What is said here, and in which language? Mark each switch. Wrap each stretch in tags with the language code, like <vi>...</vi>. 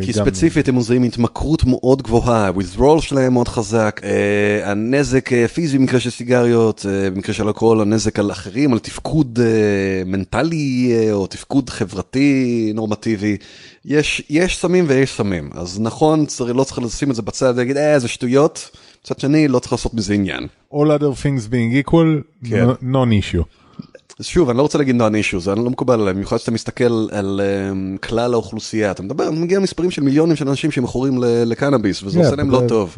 <he>כי ספציפית הם מוזרים התמכרות מאוד גבוהה, withdrawal שלהם מאוד חזק, הנזק פיזי במקרה של סיגריות, במקרה של אלכוהול, הנזק על אחרים, על תפקוד מנטלי או תפקוד חברתי נורמטיבי, יש סמים ויש סמים, אז נכון, לא צריך לשים את זה בצד ולהגיד, זה שטויות, בצד שני, לא צריך לעשות מזה עניין.</he> <en>All other things being equal, non-issue.</en> <he>שוב, אני לא רוצה להגיד non-issue, זה לא מקובל עליהם, במיוחד שאתה מסתכל על כלל האוכלוסייה, אתה מדבר, אני מגיע למספרים של מיליונים של אנשים שמכורים לקנאביס, וזה עושה להם לא טוב.</he>